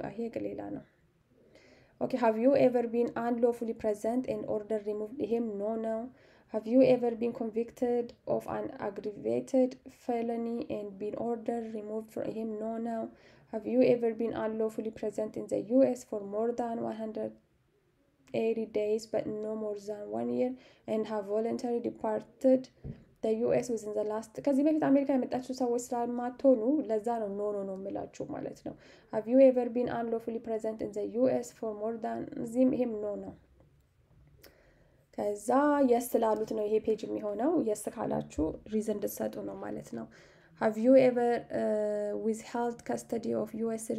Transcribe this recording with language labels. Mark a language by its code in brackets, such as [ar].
[am] ኖ ይሄ ሌላ ነው። [en] ኦኬ ሀቭ ዩ ኤቨር ቢን አንሎፉሊ ፕሬዘንት ኤን ኦርደር ሪሙቭድ? [am] ይሄም ኖ ነው። [en] Have you ever been convicted of an aggravated felony and been ordered removed from him? No, no. Have you ever been unlawfully present in the US for more than 180 days but no more than 1 year and have voluntarily departed the US within the last... [am] ከዚህ በፊት አሜሪካ የመጣችሁ ሰዎች ስላልማትሆኑ ለዛ ነው ኖ ኖ ኖ የምላችሁ ማለት ነው። [en] Have you ever been unlawfully present in the US for more than... [am] እዚህም ይሄም ኖ ነው። ከዛ የስ ላሉት ነው ይሄ ፔጅ የሚሆነው። የስ ካላችሁ ሪዝን እንድትሰጡ ነው ማለት ነው። [en] ሀቭ ዩ ኤቨር ዊዝሄልድ ከስተዲ ኦፍ ዩኤስ?